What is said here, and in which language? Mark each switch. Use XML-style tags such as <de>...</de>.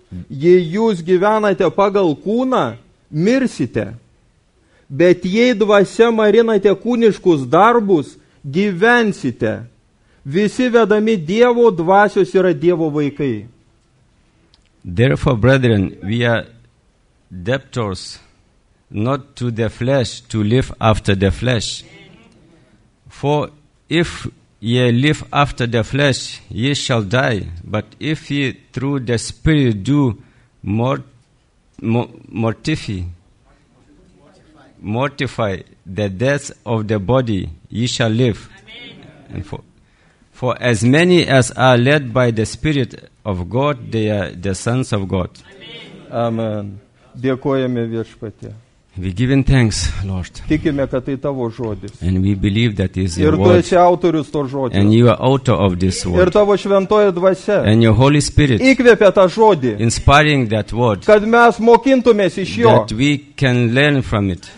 <lt>Jei jūs gyvenate pagal kūną, mirsite. Bet jei dvasia marinate kūniškus darbus, gyvensite. Visi vedami Dievo dvasios yra Dievo vaikai.</lt> <en>Therefore, brethren, we are debtors not to the flesh to live after the flesh. For if ye live after the flesh, ye shall die. But if ye through the Spirit do mortify the deaths of the body, ye shall live. Amen. And for as many as are led by the Spirit of God, they are the sons of God. Amen. Amen. We give thanks, Lord.</en> <lt>Tikime, kad tai tavo žodis.</lt> <en>And we believe that is</en> <lt>Ir</lt> <en>your word.</en> <lt>Tu esi autorius to žodžio.</lt> <en>And you are author of this word.</en> <lt>Ir tavo šventoji dvasia.</lt> <en>And your Holy Spirit.</en> <lt>Įkvėpė tą žodį.</lt> <en>Inspiring that word.</en> <lt>Kad mes mokintumės iš jo.</lt> <en>That we can learn from it.</en>